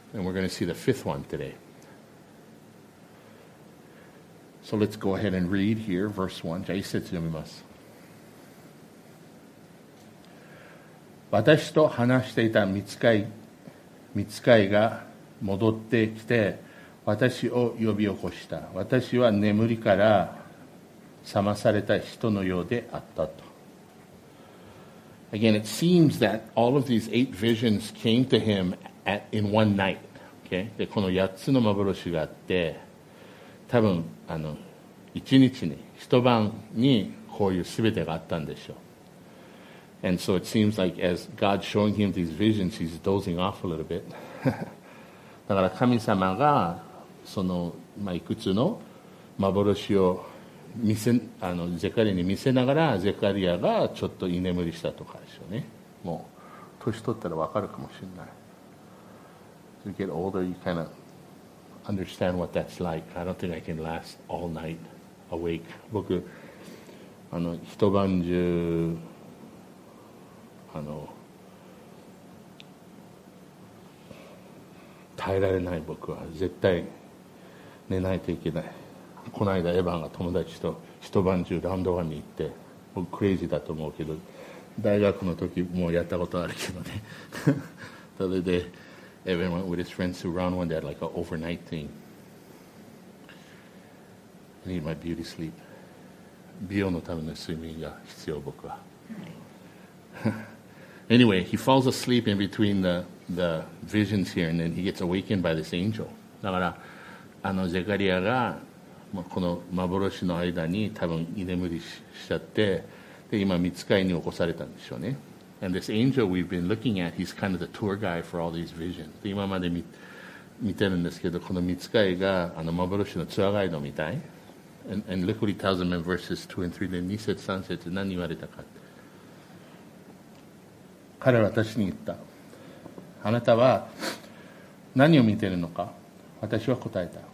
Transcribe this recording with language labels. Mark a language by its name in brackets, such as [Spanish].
[English] And we're going to see the fifth one today. So let's go ahead and read here, verse 1. [Japanese] じゃあ1節読みます。私と話していた御使いが戻ってきて私を呼び起こした。私は眠りから覚まされた人のようであったと。 [English] Again, it seems that all of these eight visions came to him in one night. Okay? [Japanese] で、この八つの幻があって、多分一日に、一晩にこういうすべてがあったんでしょう。 [English] And so it seems like as God's showing him these visions, he's dozing off a little bit. [Japanese] だから神様がその、まあ、いくつの幻を見せゼカリアに見せながら、ゼカリアがちょっと居眠りしたとかですよね。もう年取ったら分かるかもしれない。 [English] you get older, you kind of understand what that's like. I don't think I can last all night awake. [Japanese] 僕、あの、一晩中、あの、耐えられない僕は絶対寝ないといけない。この間エヴァンが友達と一晩中ラウンドワンに行って、僕クレイジーだと思うけど、大学の時もうやったことあるけどね。それで [English] エヴァン went with his friends to round one, they had like an overnight thing. I need my beauty sleep. [Japanese] 美容のための睡眠が必要僕は。 [English] Anyway, he falls asleep in between the visions here, and then he gets awakened by this angel. [Japanese] だから、あのゼカリアが、まあ、この幻の間に多分居眠り しちゃって、で今見つかりに起こされたんでしょうね。 [English] And this angel we've been looking at, he's kind of the tour guide for all these visions. [Japanese] で今まで 見てるんですけど、この見つかりがあの幻のツアーガイドみたい。 [English] And look what he tells them in verses 2 and 3. [Japanese] で2節3節何言われたか。彼は私に言った。あなたは何を見てるのか。私は答えた。